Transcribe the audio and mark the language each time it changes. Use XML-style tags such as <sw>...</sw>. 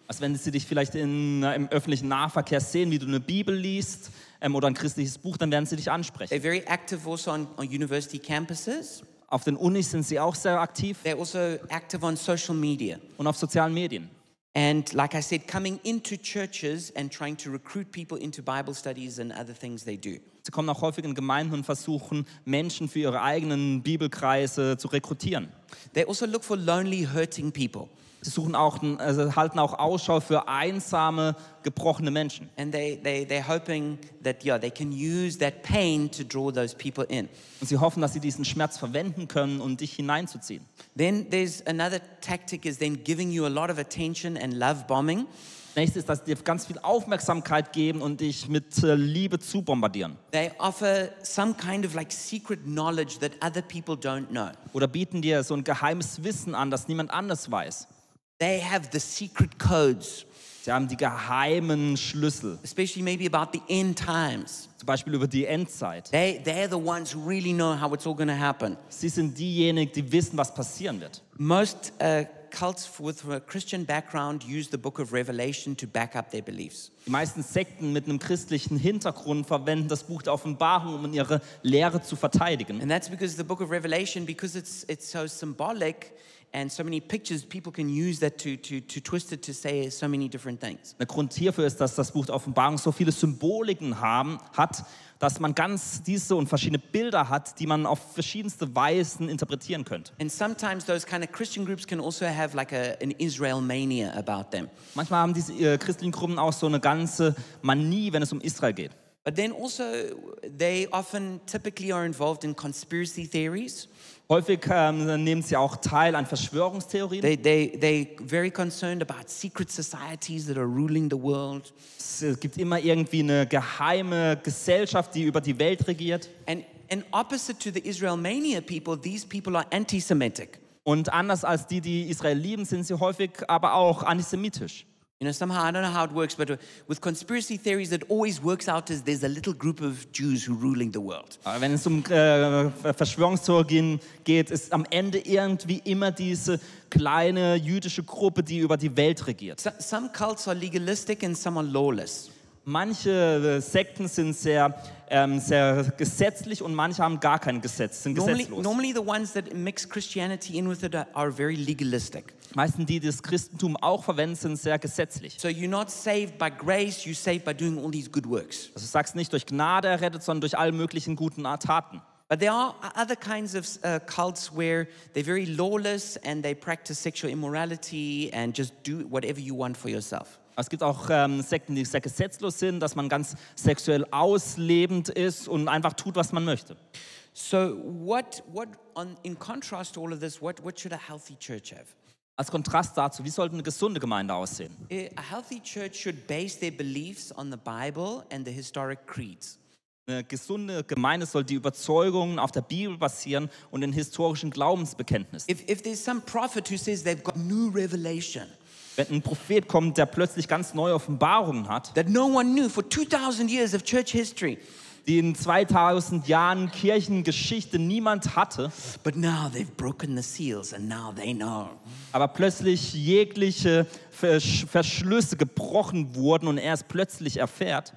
<de>Also wenn sie dich vielleicht im öffentlichen Nahverkehr sehen, wie du eine Bibel liest, oder ein christliches Buch, dann werden sie dich ansprechen.</de> <en>They're very active also on university campuses.</en> <de>Auf den Unis sind sie auch sehr aktiv.</de> <en>They're also active on social media.</en> <de>Und auf sozialen Medien.</de> <en>And like I said, coming into churches and trying to recruit people into Bible studies and other things they do.</en> <de>Sie kommen auch häufig in Gemeinden und versuchen, Menschen für ihre eigenen Bibelkreise zu rekrutieren.</de> <en>They also look for lonely, hurting people.</en> <de>Sie suchen auch, also halten auch Ausschau für einsame, gebrochene Menschen.</de> <en>And they're hoping that yeah, they can use that pain to draw those people in.</en> <de>Und sie hoffen, dass sie diesen Schmerz verwenden können, um dich hineinzuziehen.</de> <en>Then there's another tactic is then giving you a lot of attention and love bombing.</en> <de>Nächstes ist, dass sie dir ganz viel Aufmerksamkeit geben und dich mit Liebe zubombardieren.</de> <en>They offer some kind of like secret knowledge that other people don't know.</en> <de>Oder bieten dir so ein geheimes Wissen an, das niemand anders weiß.</de> <en>They have the secret codes.</en> <de>Sie haben die geheimen Schlüssel.</de> <en>Especially maybe about the end times.</en> <de>Zum Beispiel über die Endzeit.</de> <en>They're the ones who really know how it's all going to happen.</en> <de>Sie sind diejenigen, die wissen, was passieren wird.</de> <en>Most cults with a Christian background use the book of Revelation to back up their beliefs.</en> <de>Die meisten Sekten mit einem christlichen Hintergrund verwenden das Buch der Offenbarung, um ihre Lehre zu verteidigen.</de> <en>And that's because the book of Revelation, because it's so symbolic and so many pictures, people can use that to twist it to say so many different things.</en> <de>Der Grund hierfür ist, dass das Buch der Offenbarung so viele Symboliken hat, dass man ganz diese und verschiedene Bilder hat, die man auf verschiedenste Weisen interpretieren könnte.</de> <en>And sometimes those kind of Christian groups can also have like an Israel mania about them.</en> <de>Manchmal haben diese christlichen Gruppen auch so eine ganze Manie, wenn es um Israel geht.</de> <en>But then also they often typically are involved in conspiracy theories.</en> <de>Häufig nehmen sie auch teil an Verschwörungstheorien.</de> <en>They very concerned about secret societies that are ruling the world.</en> <de>Es gibt immer irgendwie eine geheime Gesellschaft, die über die Welt regiert.</de> <en>And opposite to the Israel mania people, these people are anti-Semitic.</en> <de>Und anders als die Israel lieben, sind sie häufig aber auch antisemitisch.</de> <en>You know, somehow I don't know how it works, but with conspiracy theories, it always works out as there's a little group of Jews who are ruling the world.</en> <de>Wenn es Verschwörungstheorien geht, ist am Ende irgendwie immer diese kleine jüdische Gruppe, die über die Welt regiert.</de> <en>Some cults are legalistic and some are lawless.</en> <de>Manche Sekten sind sehr sehr gesetzlich und manche haben gar kein Gesetz, sind gesetzlos.</de> <en>Normally the ones that mix Christianity in with it are very legalistic.</en> <de>Meistens die das Christentum auch verwenden, sind sehr gesetzlich.</de> <en>So you're not saved by grace, you're saved by doing all these good works.</en> <de>Also du sagst nicht durch Gnade errettet, sondern durch alle möglichen guten Taten.</de> <en>But there are other kinds of cults where they're very lawless and they practice sexual immorality and just do whatever you want for yourself.</en> <de>Es gibt auch Sekten, die sehr gesetzlos sind, dass man ganz sexuell auslebend ist und einfach tut, was man möchte.</de> <en>So in contrast to all of this, what should a healthy church have?</en> <de>Als Kontrast dazu, wie sollte eine gesunde Gemeinde aussehen?</de> <en>A healthy church should base their beliefs on the Bible and the historic creeds.</en> <de>Eine gesunde Gemeinde soll die Überzeugungen auf der Bibel basieren und den historischen Glaubensbekenntnissen.</de> <en>If there's some prophet who says they've got new revelation.</en> <de>Wenn ein Prophet kommt, der plötzlich ganz neue Offenbarungen hat,</de> <en>that no one knew for 2000 years of church history,</en> <de>die in 2000 Jahren Kirchengeschichte niemand hatte,</de> <en>but now they've broken the seals and now they know.</en> <de>Aber plötzlich jegliche Verschlüsse gebrochen wurden und er es plötzlich erfährt,</de>